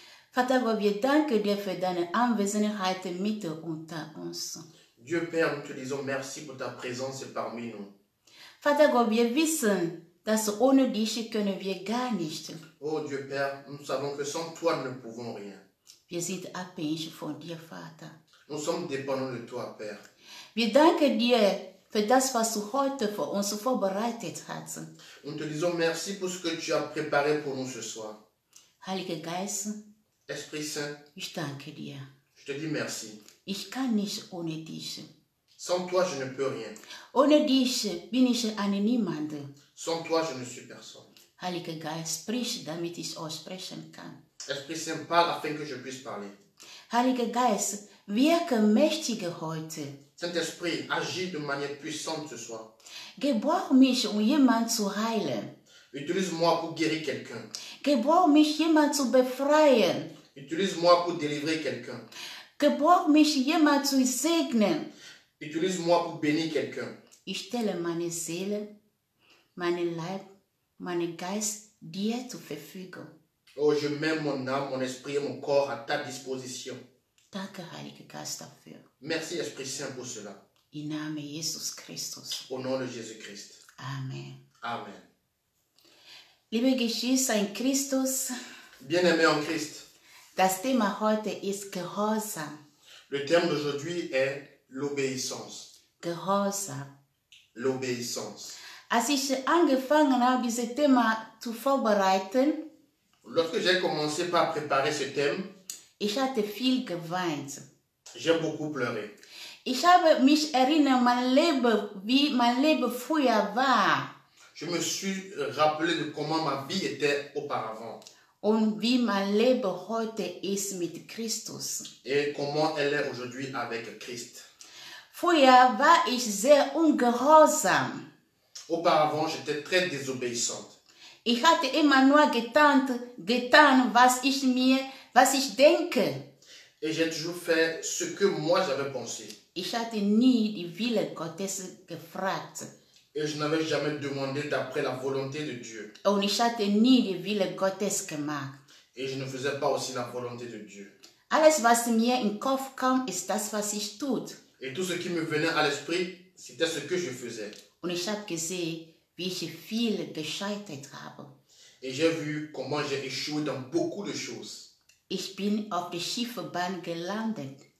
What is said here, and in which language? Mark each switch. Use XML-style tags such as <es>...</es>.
<de>Vater, wo wir danken dir für deine Anwesenheit mit unter uns.</de> <fr>Dieu Père, nous te disons merci pour ta présence parmi nous.</fr> <de>Vater, wo wir wissen, dass ohne dich können wir gar nicht.</de> <fr>Oh Dieu Père, nous savons que sans toi nous ne pouvons rien.</fr> <de>Wir sind abhängig von dir, Vater.</de> <fr>Nous sommes dépendants de toi, Père.</fr> <de>Wir danken dir für das, was du heute für uns vorbereitet hast.</de> <fr>Nous te disons merci pour ce que tu as préparé pour nous ce soir.</fr> <de>Heiliger Geist,</de> <fr>Esprit Saint,</fr> <de>ich danke dir.</de> <fr>Je te dis merci.</fr> <de>Ich kann nicht ohne dich.</de> <fr>Sans toi, je ne peux rien.</fr> <de>Ohne dich bin ich ein niemand.</de> <fr>Sans toi, je ne suis personne.</fr> <de>Heiliger Geist, sprich, damit ich auch sprechen kann.</de> <fr>Esprit Saint, parle afin que je puisse parler.</fr> <de>Heiliger Geist, wirke mächtig heute.</de> <fr>Saint-Esprit, agis de manière puissante ce soir.</fr> <de>Gebrauch mich, um jemanden zu heilen.</de> <fr>Utilise-moi pour guérir quelqu'un.</fr> <de>Gebrauch mich, jemand zu befreien.</de> <fr>Utilise-moi pour délivrer quelqu'un.</fr> <de>Gebrauch mich, jemand zu segnen.</de> <fr>Utilise-moi pour bénir quelqu'un.</fr> <de>ich stelle meine Seele, meinen Leib, meinen Geist dir zur Verfügung.</de> <fr>Oh, je mets mon âme, mon esprit et mon corps à ta disposition.</fr> <de>Danke, Heilige Geist, dafür.</de> <fr>Merci, Esprit Saint, pour cela.</fr> <de>In name Jesus Christus.</de> <fr>Au nom de Jésus Christ.</fr> <de>Amen.</de> <fr>Amen.</fr> <de>Liebe Geschwister in Christus.</de> <fr>Bien-aimés en Christ.</fr> <de>Das Thema heute ist Gehorsam.</de> <fr>Le thème d'aujourd'hui est l'obéissance.</fr> <de>Gehorsam.</de> <fr>L'obéissance.</fr> <de>Als ich angefangen habe, dieses Thema zu vorbereiten.</de> <fr>Lorsque j'ai commencé par préparer ce thème,</fr> <de>ich hatte viel geweint.</de> <fr>J'ai beaucoup pleuré.</fr> <de>Ich habe mich erinnert, mein Leben, wie mein Leben früher war.</de> <fr>Je me suis rappelé de comment ma vie était auparavant.</fr> <de>Und wie mein Leben heute ist mit Christus.</de> <fr>Et comment elle est aujourd'hui avec Christ.</fr> <de>Früher war ich sehr ungehorsam.</de> <fr>Auparavant, j'étais très désobéissante.</fr> <de>Ich hatte immer nur getan, was ich denke.</de> <fr>Et j'ai toujours fait ce que moi j'avais pensé.</fr> <de>Ich hatte nie die Wille Gottes gefragt.</de> <fr>Et je n'avais jamais demandé d'après la volonté de Dieu.</fr> <de>Und ich hatte nie die Wille Gottes gemacht.</de> <fr>Et je ne faisais pas aussi la volonté de Dieu.</fr> <de>Alles was mir in Kopf kam, ist das was ich tut.</de> <fr>Et tout ce qui me venait à l'esprit, c'était ce que je faisais.</fr> <de>Und ich habe gesehen, wie ich viel gescheitert habe.</de> <fr>Et j'ai vu comment j'ai échoué dans beaucoup de choses.</fr> <de>Ich bin auf die schiefe Bahn gelandet.</de>